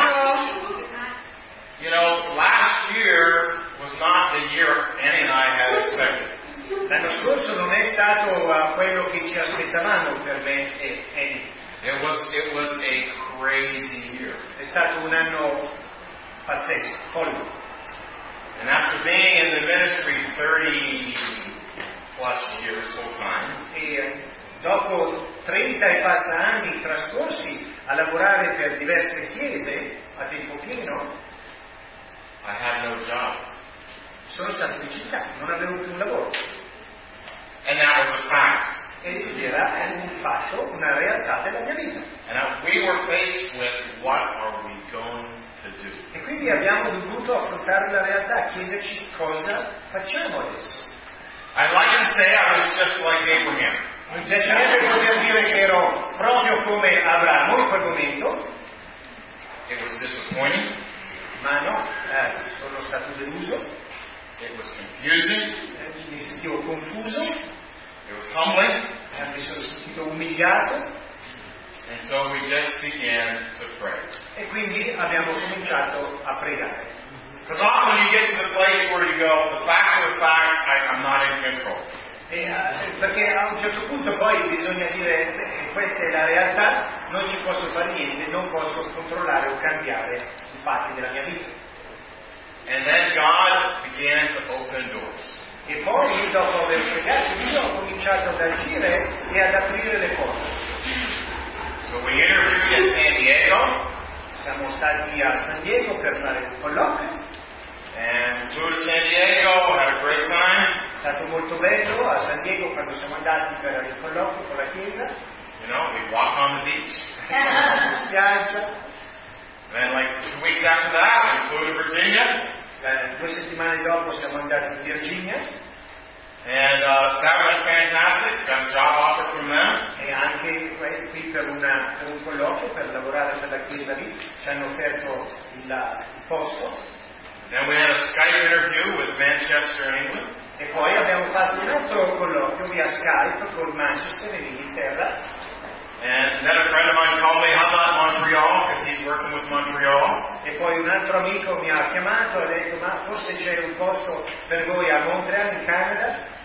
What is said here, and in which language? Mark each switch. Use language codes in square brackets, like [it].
[en] You know, last year was not the year Annie and I had expected. [it] L'anno scorso non è stato quello che ci aspettavamo per me e Annie. [en] It was a crazy year. [it] È stato un anno pazzesco, folle. [en] And after being in the ministry 30 plus years full time, [it] e dopo 30 e passa anni trascorsi a lavorare per diverse chiese a tempo pieno, [en] I had no job. [it] Sono stato in città, non avevo più un lavoro. [en] And that was a fact. [it] Ed era un fatto, una realtà della mia vita. [en] And we were faced with what are we going to do? [it] E quindi abbiamo dovuto affrontare la realtà, chiederci cosa facciamo adesso. [en] I'd like to say I was just like Abraham. [it] Mi piacerebbe poter dire che ero proprio come Abramo in quel momento. [en] It was disappointing. [it] Ma no, sono stato deluso. [en] It was confusing. [it] Mi sentivo confuso. [en] It was humbling. [it] Mi sono sentito umiliato. [en] And so we just began to pray. [it] E quindi abbiamo cominciato a pregare. [en] Because often you get to the place where you go, the facts are the facts, I'm not in control. [it] Perché a un certo punto poi bisogna dire questa è la realtà, non ci posso fare niente, non posso controllare o cambiare i fatti della mia vita. [en] And then God began to open doors. [it] E poi dopo aver pregato Dio ho cominciato ad agire e ad aprire le porte. [en] So we interviewed in San Diego. [it] Siamo stati a San Diego per fare un colloquio. [en] And to San Diego, had a great time. [it] È stato molto bello a San Diego quando siamo andati per il colloquio con la chiesa. [en] You know, we walk on the beach. [it] In spiaggia. [en] And then like 2 weeks after that, we flew to Virginia. [it] Due settimane dopo siamo andati in Virginia. [en] And that was fantastic. Got a job offer from them. [it] E anche qui per un colloquio per lavorare per la chiesa lì ci hanno offerto il posto. [en] Then we had a Skype interview with Manchester, England. [it] E poi abbiamo fatto un altro colloquio via Skype con Manchester in Inghilterra. [en] And then a friend of mine called me, how about Montreal? Because he's working with Montreal. [it] E poi un altro amico mi ha chiamato e ha detto, ma forse c'è un posto per voi a Montreal, in Canada?